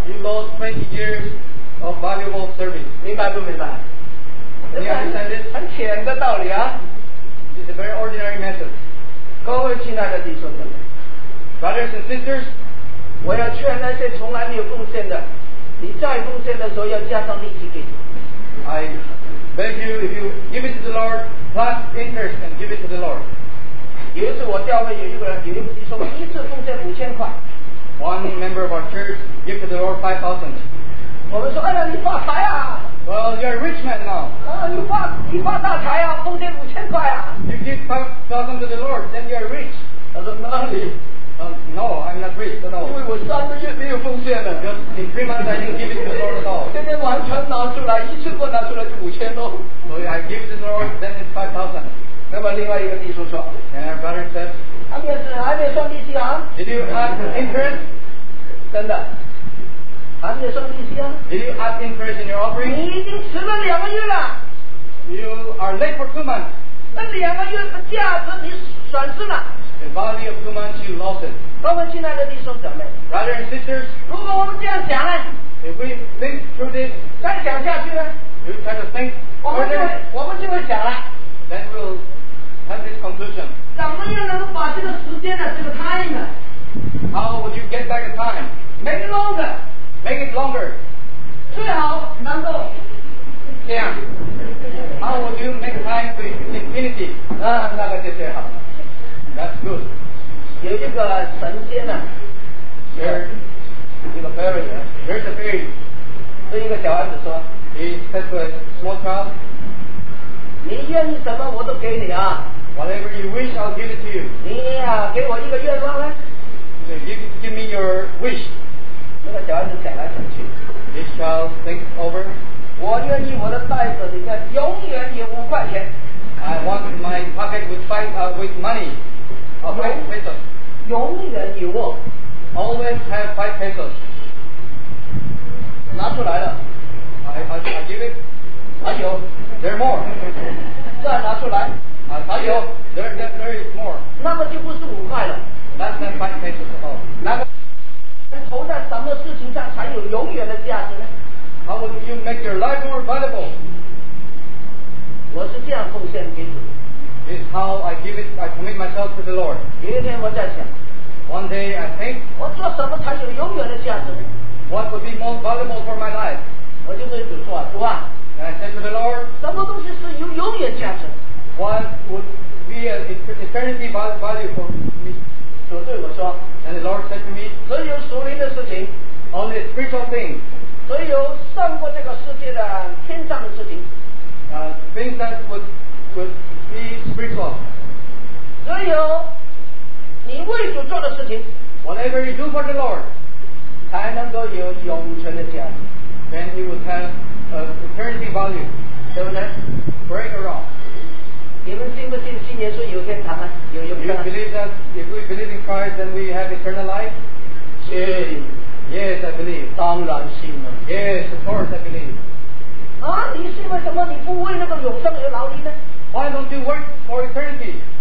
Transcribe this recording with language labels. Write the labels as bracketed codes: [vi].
[en] You lost 20 years of valuable service. [zh] 明白不明白? [en] Do you understand this? [zh] 很浅的道理啊。 [en] It's a very ordinary method. [zh] 各位亲爱的弟兄们, [en] brothers and sisters, [zh] 我要劝那些从来没有贡献的，你再贡献的时候要加上利息给你。 [en] I beg you, if you give it to the Lord, plus interest and give it to the Lord. [zh] 有一次我教会有一个人，有一个弟兄一次贡献5000块。 [en] One member of our church give to the Lord 5,000. [zh] 我们说，哎呀，你发财啊！ [en] Well, you're a rich man now. [zh] 你发大财啊，奉献5000块啊。 [en] You give 5,000 to the Lord, then you're rich. [zh] 他说哪里？ [en] No, I'm not rich at all. [zh] 因为我3个月没有奉献了。 [en] Because in 3 months I didn't give it to the Lord at all. [zh] 现在完全拿出来，一次过拿出来就5000咯。 [en] So I give to the Lord, then it's 5,000. [zh] 那么另外一个弟兄说， [en] and our brother says, [zh] 还没算利息啊。 [en] Did you add interest? [zh] 真的。 [en] Did you add interest in your offering? [zh] 你已经迟了2个月了。 [en] You are late for 2 months. [zh] 那2个月的价值你损失了。 [en] The value of 2 months you lost it. [zh] 各位亲爱的弟兄姐妹， [en] brothers and sisters, [zh] 如果我们这样想呢？ [en] If we think through this, [zh] 再想下去呢？ [en] You try to think further, [zh] 我们就会想了。 [en] Then we'll have this conclusion. [zh] 怎么又能把这个时间呢？这个 time 呢？ [en] How would you get back the time? Make it longer. Make it longer. [zh] 最好能够这样。 [en] How would you make time to infinity? [zh] 那个就最好了。 [en] That's good. [zh] 有一个神仙呐、啊。 [en] There's a fairy. There's a fairy. [zh] 这一个小孩子说 [en] ，He said to a small child, [zh] 你愿意什么我都给你啊。 [en] Whatever you wish, I'll give it to you. [zh] 你啊，给我一个愿望呢 [en] ？So give me your wish. [zh] 那个小孩子想来想去 [en] ，This child thinks over. [zh] 我愿意我的袋子里面永远有五块钱。 [en] I want my pocket with money. Of 5 pesos. [zh] 永远有哦。 [en] Always have 5 pesos. [zh] 拿出来了。 [en] I give it. [zh] 还有。 [en] There are more. [zh] 再拿出来。还有。 [en] There is more. [zh] 那个就不是五块了。 [en] Less than 5 pesos at all. 那 [zh] 个。投在什么事情上才有永远的价值呢？ [en] How would you make your life more valuable? [zh] 我是这样奉献给主。 [en] It's how I give it. I commit myself to the Lord. [zh] 有一天我在想。 [en] One day I think. [zh] 我做什么才有永远的价值 [en] ？What would be most valuable for my life? [zh] 我就对主说：“主啊。 [en] ”And I said to the Lord. [zh] 什么东西是有永远价值 [en] ？What would be an eternity value for me? [zh] 主对我说。 [en] And the Lord said to me. [zh] 只有属灵的事情。 [en] Only spiritual things. [zh] 只有胜过这个世界的天上的事情。 [en] Things that would be spiritual. [zh] 只有你为主做的事情 [en] ，whatever you do for the Lord， [zh] 才能够有永存的价值。 [en] Then it would have eternity value， [zh] 对不对 [en] ？Break or wrong？ [zh] 你们信不信信耶稣有天堂啊？有永生、啊、 [en] ？You believe that if we believe in Christ, then we have eternal life？ [zh] 信。 [en] Yes, I believe. [zh] 当然信了。 [en] Yes, of course I believe. [zh] 啊，你是为什么你不为那个永生而劳力呢 [en] ？Why don't you work for eternity？